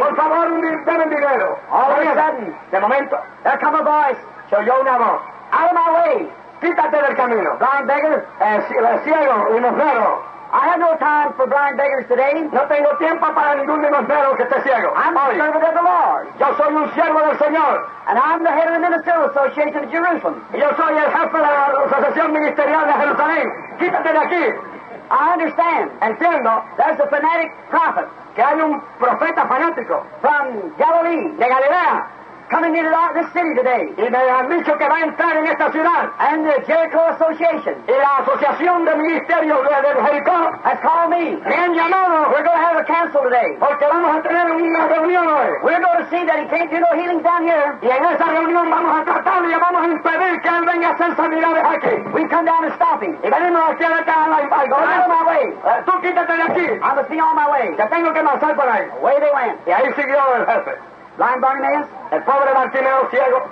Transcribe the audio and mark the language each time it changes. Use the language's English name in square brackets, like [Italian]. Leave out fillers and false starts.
[Spanish] Por favor, deme dinero. [English] All of a sudden. [Spanish] De momento. [English] There come a voice. [Spanish] Se oyó una voz. [English] Out of my way. [Spanish] Quítate del camino. [English] Blind beggar. [Spanish] El ciego, limosnero. [English] I have no time for blind beggars today. [Spanish] No tengo tiempo para ningún limosnero que esté ciego. [English] I'm a servant of the Lord. [Spanish] Yo soy un siervo del Señor. [English] And I'm the head of the ministerial association of Jerusalem. [Spanish] Yo soy el jefe de la asociación ministerial de Jerusalén. Quítate de aquí. [English] I understand. [Spanish] Entiendo. [English] There's a fanatic prophet. [Spanish] Que hay un profeta fanático. [English] From Galilee. [Spanish] De Galilea. [English] Coming into this city today. [Spanish] Y me han dicho que va a entrar en esta ciudad. [English] And the Jericho Association. [Spanish] Y la asociación de ministerio de Jericho. [English] Has called me. [Spanish] Me han llamado. [English] We're going to have a council today. [Spanish] Porque vamos a tener una reunión hoy. [English] We're going to see that he can't do no healings down here. [Spanish] Y en esa reunión vamos a tratarle y vamos a impedir que él venga a hacer sanidades aquí. [English] We've come down to stop him. [Spanish] Y venimos aquí a la casa. [English] Go out of my way. [Spanish] Tú quítate de aquí. [English] I must be on my way. [Spanish] Ya tengo que marchar por ahí. [English] Away they went. [Spanish] Y ahí siguió el jefe. [English] Blind Bartimeo, [Spanish] el pobre Bartimeo ciego,